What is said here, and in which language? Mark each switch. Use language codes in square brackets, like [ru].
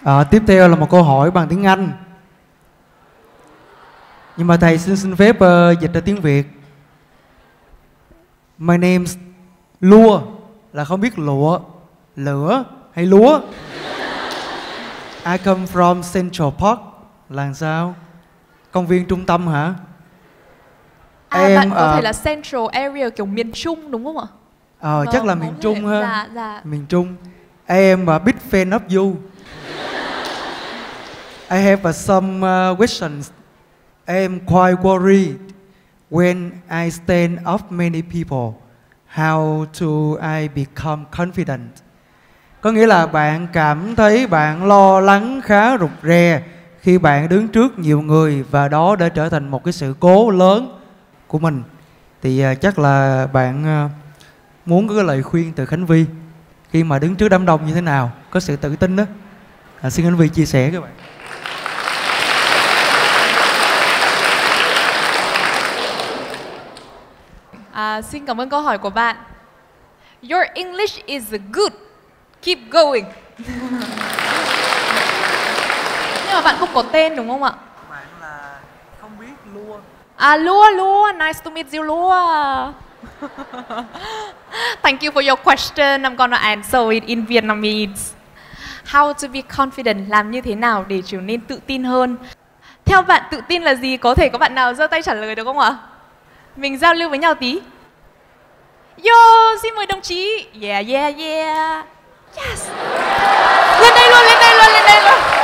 [vi] Tiếp theo là một câu hỏi bằng tiếng Anh, nhưng mà thầy xin phép dịch ra tiếng Việt. [en] My name is Lua, [vi] là không biết lụa, lửa hay lúa. [en] I come from Central Park. [vi] Là sao? Công viên trung tâm hả? Em, bạn có thể là Central Area, kiểu miền Trung đúng không ạ? Chắc là miền Trung ha. Dạ. Miền Trung. Em [en] big fan of you. I have some questions. I'm quite worried when I stand up many people, how do I become confident? [vi] Có nghĩa là bạn cảm thấy bạn lo lắng khá rụt rè khi bạn đứng trước nhiều người, và đó đã trở thành một cái sự cố lớn của mình. Thì chắc là bạn muốn có cái lời khuyên từ Khánh Vy khi mà đứng trước đám đông như thế nào, có sự tự tin đó. Xin Khánh Vy chia sẻ các bạn. Xin cảm ơn câu hỏi của bạn. [en] Your English is good. Keep going. [vi] Nhưng mà bạn không có tên đúng không ạ? Bạn là không biết lua. [en] Lua, nice to meet you, lua. thank you for your question. I'm gonna answer it in Vietnamese. How to be confident? [vi] Làm như thế nào để trở nên tự tin hơn? Theo bạn, tự tin là gì? Có thể có bạn nào giơ tay trả lời được không ạ? Mình giao lưu với nhau tí. Yo, xin mời đồng chí. [en] Yeah, yeah, yeah. Yes. [vi] Lên đây luôn, lên đây luôn, lên đây luôn.